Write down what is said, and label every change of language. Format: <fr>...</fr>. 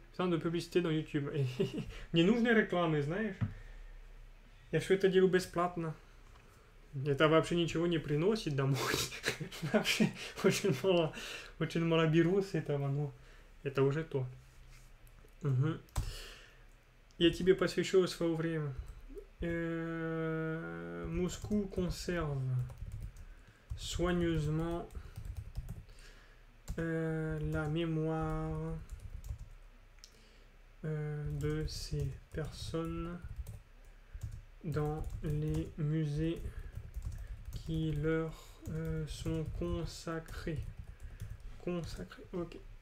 <fr>Ça, de publicité dans YouTube. Ni nous venir réclamer, n'est-ce pas?</fr> <ru>Я все это делаю бесплатно. Это вообще ничего не приносит домой. Вообще, очень мало беру с этого, но это уже то. Я тебе посвящу свое время.</ru> <fr>Moscou conserve soigneusement la mémoire de ces personnes dans les musées qui leur sont consacrés. Consacrés, ok.</fr>